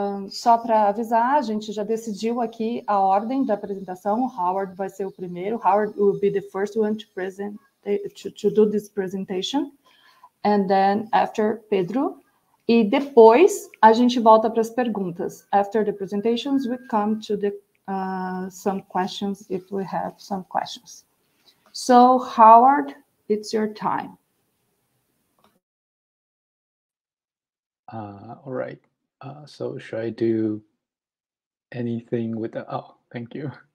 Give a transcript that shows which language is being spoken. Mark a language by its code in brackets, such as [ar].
[pt] Só para avisar, a gente já decidiu aqui a ordem da apresentação. Howard vai ser o primeiro. [en] Howard will be the first one to present. To do this presentation, and then after Pedro. [pt] E depois a gente volta para as perguntas. [en] After the presentations, we come to the some questions, if we have some questions. So, Howard, it's your time. All right. So should I do anything with that? Oh, thank you.